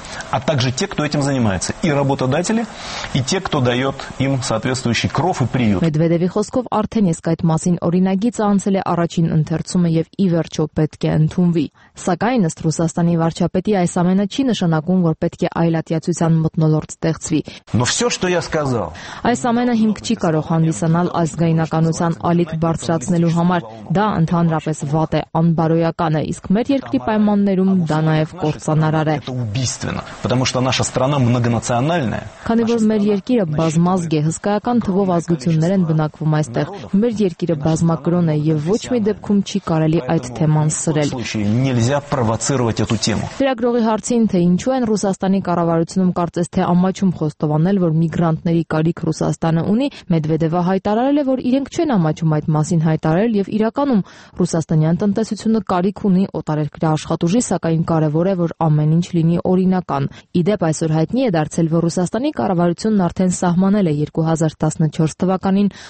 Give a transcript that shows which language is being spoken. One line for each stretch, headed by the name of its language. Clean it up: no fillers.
Russian: А также те, кто этим занимается, и работодатели, и те, кто даёт им соответствующий кров и приют։
Armenian: Մեդվեդևի խոսքով արդեն իսկ այդ մասին օրինագիծը անցել է առաջին ընթերցումը եւ ի վերջո պետք է ընդունվի։ Սակայն ըստ Ռուսաստանի վարչապետի այս ամենը չի նշանակում, որ պետք է այլատյացության մտնոլորտ ստեղծվի։
Russian: Но всё, что я сказал,
Armenian: այս ամենը հիմք չի կարող հանդիսանալ ազգայնականության ալիք բարձրացնելու համար, դա ընդհանրապես վատ է, անբարոյական է, իսկ մեր երկրի պայմաններում դա նաև կործանարար է։
Russian: Потому что наша страна многонациональная.
Armenian: Քանի որ մեր երկիրը բազմազգ է, հսկայական թվով ազգություններ են բնակվում այստեղ, մեր երկիրը բազմակրոն է եւ ոչ մի դեպքում չի կարելի այդ թեման սրել։ Լրագրողի հարցին, թե ինչու են Ռուսաստանի կառավարությունում կարծես թե ամաչում խոստովանել, որ միգրանտների կարիք Ռուսաստանը ունի, Մեդվեդևը հայտարարել է, որ իրենք չեն ամաչում այդ մասին հայտարարել եւ իրականում ռուսաստանյան տնտեսությունը կարիք ունի օտարերկրյա աշխատուժի, սակայն կարևոր է, որ ամեն ինչ լինի օրինական։ Ի դեպ, այսօր հայտնի է դարձել, որ Ռուսաստանի կառավարությունն արդեն սահմանել է 2014 թվականին